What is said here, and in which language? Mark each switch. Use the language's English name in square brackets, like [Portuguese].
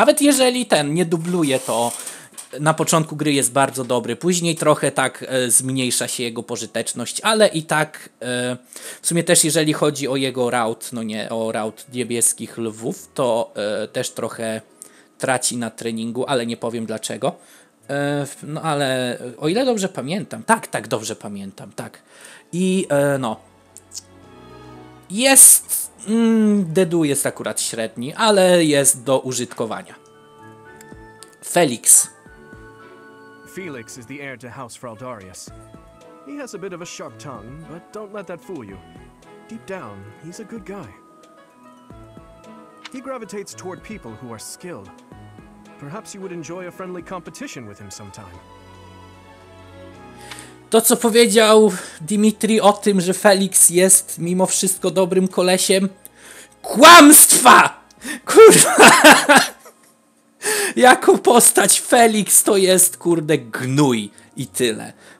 [Polish] Nawet jeżeli ten nie dubluje, to na początku gry jest bardzo dobry, później trochę tak zmniejsza się jego pożyteczność, ale i tak w sumie też jeżeli chodzi o jego raut, no nie, o raut niebieskich lwów, to też trochę traci na treningu, ale nie powiem dlaczego. No ale o ile dobrze pamiętam, tak. I no, jest, Dedu jest akurat średni, ale jest do użytkowania. [English] Felix. Felix is the heir to House Fraldarius. He has a bit of a sharp tongue, but don't let that fool you. Deep down, he's a good guy. He gravitates toward people who are skilled. Perhaps you would enjoy a friendly competition with him sometime. [Polish] To, co powiedział Dimitri o tym, że Felix jest mimo wszystko dobrym kolesiem. Kłamstwa! Kurwa! Jako postać Felix to jest, kurde, gnój i tyle.